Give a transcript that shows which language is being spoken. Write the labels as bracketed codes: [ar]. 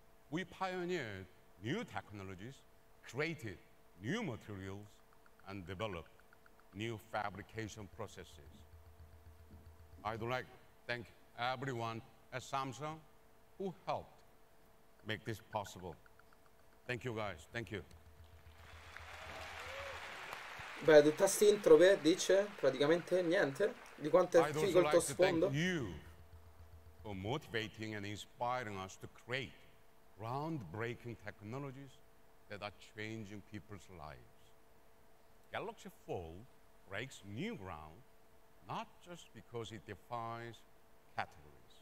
[en] We pioneered new technologies, created new materials, and develop new fabrication processes. I'd like to thank everyone at Samsung who helped make this possible. Thank you guys, thank you. [it] Beh, tutta st'intro dice praticamente niente di quanto è figo il tuo sfondo. [en] Thank you for motivating and inspiring us to create groundbreaking technologies that are changing people's lives. Galaxy Fold breaks new ground, not just because it defines categories.